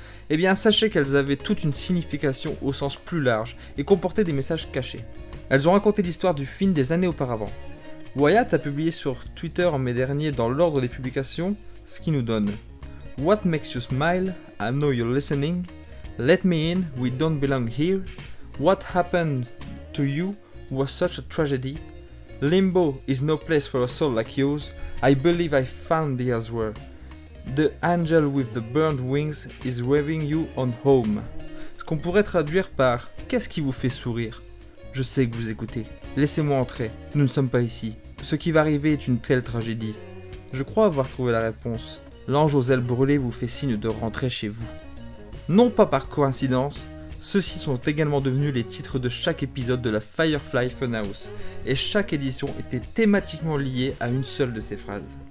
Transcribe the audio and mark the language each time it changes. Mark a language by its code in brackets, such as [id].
[fr] Eh bien, sachez qu'elles avaient toute une signification au sens plus large et comportaient des messages cachés. Elles ont raconté l'histoire du Fiend des années auparavant. Wyatt a publié sur Twitter en mai dernier dans l'ordre des publications ce qui nous donne « [en] What makes you smile? I know you're listening. Let me in, we don't belong here. What happened to you was such a tragedy. Limbo is no place for a soul like yours. I believe I found the answer. The angel with the burned wings is waving you on home. [fr] » Ce qu'on pourrait traduire par « Qu'est-ce qui vous fait sourire ? Je sais que vous écoutez. Laissez-moi entrer. Nous ne sommes pas ici. Ce qui va arriver est une telle tragédie. Je crois avoir trouvé la réponse. L'ange aux ailes brûlées vous fait signe de rentrer chez vous. » Non pas par coïncidence, ceux-ci sont également devenus les titres de chaque épisode de la Firefly Funhouse, et chaque édition était thématiquement liée à une seule de ces phrases.